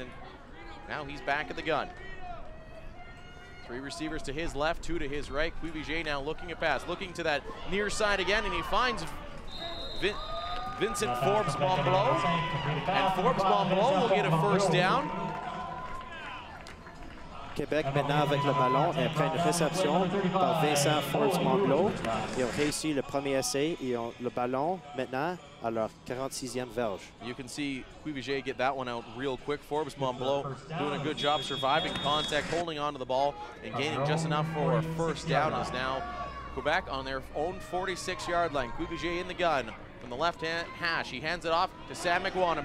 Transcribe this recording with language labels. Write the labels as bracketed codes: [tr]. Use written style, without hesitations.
[en] And now he's back at the gun. Three receivers to his left, two to his right. Cuivier now looking a pass, looking to that near side again, and he finds Vincent Forbes Bombleau, and Forbes Bombleau will get a first down. [fr] Québec maintenant avec le ballon et après une réception par Vincent Forbes Bombleau. Ils ont réussi le premier essai et ont le ballon maintenant à leur 46e verge. [en] You can see Cuivier get that one out real quick. Forbes Bombleau doing a good job surviving contact, holding onto the ball and gaining just enough for a first down. Is now Quebec on their own 46-yard line. Cuivier in the gun. From the left hand hash, he hands it off to Sam McWanna.